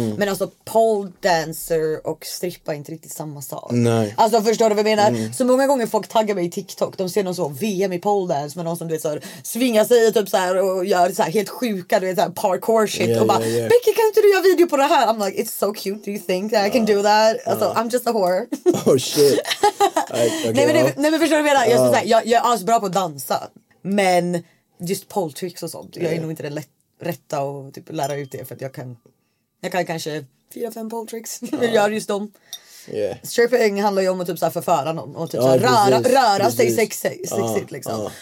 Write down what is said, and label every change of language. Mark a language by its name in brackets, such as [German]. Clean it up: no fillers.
[Swedish] Men alltså pole dancer och strippa är inte riktigt samma sak. Nej. Alltså förstår du vad jag menar? Så många gånger folk taggar mig i TikTok, de ser någon så VM i pole dance med någon som, du vet, så här, svingar sig typ så här och gör så här helt sjuka, du vet, så här parkour shit och bara, Becky, kan inte du göra video på det här? [English] I'm like, it's so cute, do you think that I can do that? Alltså, I'm just a whore. Oh shit. Okay, [Swedish] nej men förstår du vad jag menar? Jag är alls bra på att dansa, men just pole tricks och sånt. Jag är nog inte den rätta att typ lära ut det. För att jag kan kanske 4-5 pole tricks. Men jag gör just dem. [English] Yeah. [Swedish] Stripping handlar ju om att typ så här förföra någon. Och typ så här röra sig sexigt liksom.